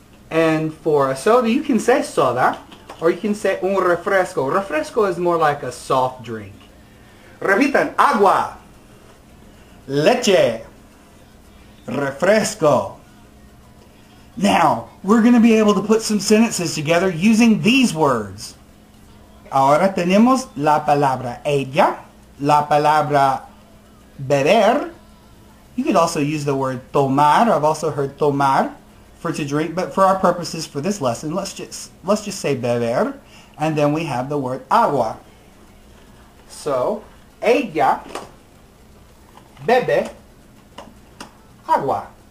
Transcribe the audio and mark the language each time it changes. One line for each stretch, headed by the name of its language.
English: And for a soda, you can say soda, or you can say un refresco. Refresco is more like a soft drink.
Spanish: Repitan, agua. Leche. Refresco.
English: Now, we're going to be able to put some sentences together using these words.
Spanish: Ahora tenemos la palabra ella, la palabra beber.
English: You could also use the word tomar. I've also heard tomar for to drink, but for our purposes for this lesson, let's just say beber, and then we have the word agua.
Spanish: So, ella bebe agua.